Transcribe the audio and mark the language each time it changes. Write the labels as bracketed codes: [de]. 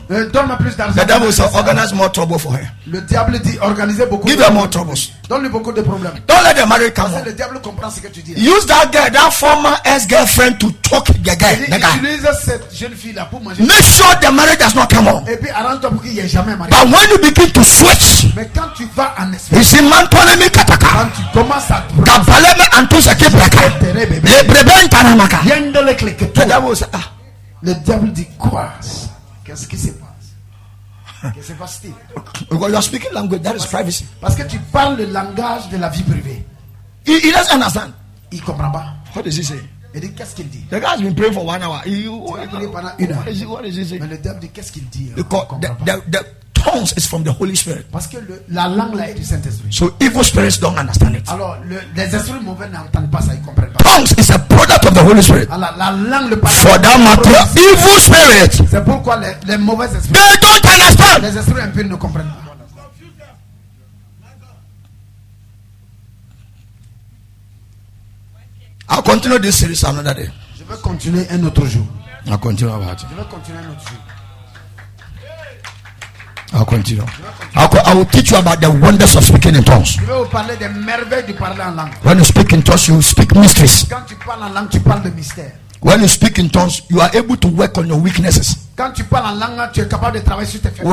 [fr] Donne-moi plus d'argent. [en] The devil says, organize more trouble for her. [fr] Le diable dit, organisez beaucoup. [en] Give her more troubles. [fr] Donne-lui beaucoup de problèmes. [en] Don't let the marriage come. [fr] Le diable comprend ce que tu dis. [en] Use that girl, that former ex-girlfriend, to talk the guy. [fr] Utilise cette jeune fille là pour manger. [en] Make sure the marriage does not come on. [fr] Et puis arrange-toi pour qu'il y ait jamais marié. [en] But when you begin to switch, [fr] mais quand tu vas en esprit, ici maintenant, mi kataka. Quand tu commences à te, ta baleine en tout ce qui braque. Le brebent tanamaka. Yendo le clique. [en] The devil says, ah. [fr] Le diable dit quoi? Qu'est-ce qui se passe? Qu'est-ce qui se passe-t-il? [en] Well, you're speaking language, that is privacy. [fr] Parce que tu parles le langage de la vie privée. [en] He doesn't understand. [fr] Il comprend pas. [en] What does he say? [fr] Il dit, qu'est-ce qu'il dit? [en] The guy has been praying for 1 hour. He [fr] prié pendant une heure. [en] What does he say? [fr] Mais le diable dit, qu'est-ce qu'il dit? [en] The tongues is from the Holy Spirit. [fr] Parce que la langue là est du Saint-Esprit. [en] So evil spirits don't understand it. [fr] Alors, les esprits mauvais n'entendent pas ça, ils comprennent pas. [en] Tongues is a product of the Holy Spirit. [fr] Alors, la langue, le [en] for that matter, evil spirits. [fr] C'est pourquoi les mauvais esprits. [en] They don't understand. [fr] Les esprits impurs ne comprennent pas. [en] I'll continue this series another day. [fr] Je vais continuer un autre jour. [en] I will teach you about the wonders of speaking in tongues. [fr] Je vais vous parler des merveilles de parler en langue. [en] When you speak in tongues, you speak mysteries. [fr] Quand tu parles en langue, tu parles de mystère. [en] When you speak in tongues, you are able to work on your weaknesses. [fr] Quand tu parles en langue, tu es capable de travailler sur tes faiblesses.